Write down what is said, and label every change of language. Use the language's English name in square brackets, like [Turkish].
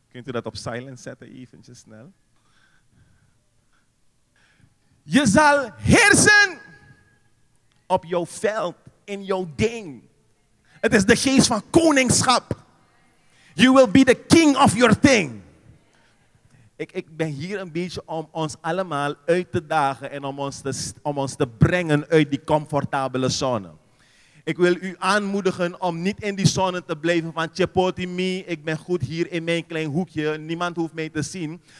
[Dutch] Kunt u dat op silent zetten, eventjes snel? Je zal heersen op jouw veld, in jouw ding. Het is de geest van koningschap. [English] You will be the king of your thing. [Dutch] Ik ben hier een beetje om ons allemaal uit te dagen en om ons te brengen uit die comfortabele zone. Ik wil u aanmoedigen om niet in die zone te blijven van Chipotle me, ik ben goed hier in mijn klein hoekje, niemand hoeft mij te zien.